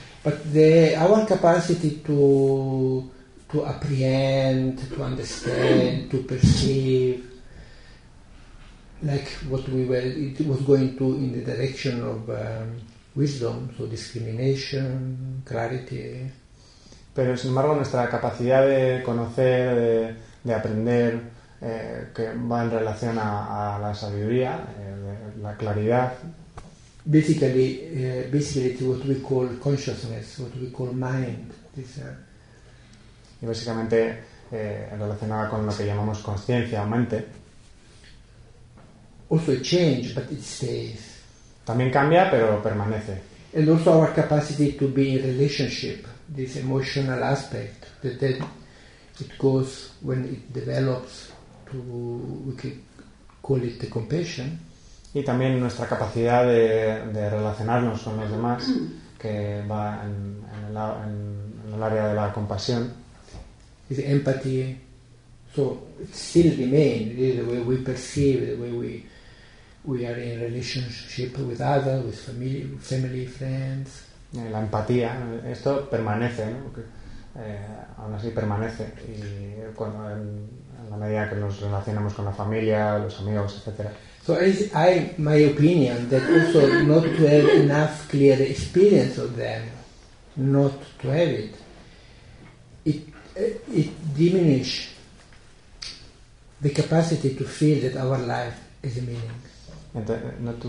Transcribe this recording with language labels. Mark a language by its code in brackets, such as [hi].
[en] But the our capacity to apprehend, to understand, to perceive, like what we were, it was going to in the direction of wisdom, so discrimination, clarity. [es] Pero sin embargo nuestra capacidad de conocer, de aprender, que va en relación a la sabiduría, la claridad. [en] Basically it's what we call consciousness, what we call mind. [es] Y básicamente relacionada con lo que llamamos conciencia o mente. [en] Also it change, but it stays. [es] También cambia, pero permanece. [en] And also our capacity to be in relationship, this emotional aspect, that it goes when it develops to, we could call it the compassion. [es] Y también nuestra capacidad de relacionarnos con los demás, que va en el área de la compasión. [en] It's empathy. So it still remains, the way we perceive, the way we are in relationship with others, with family, friends. [es] La empatía, esto permanece, ¿no? Aún así permanece. Y cuando en la medida que nos relacionamos con la familia, los amigos, etc. [en] So I my opinion that also not to have enough clear experience of them, not to have it, it diminish the capacity to feel that our life is a meaning.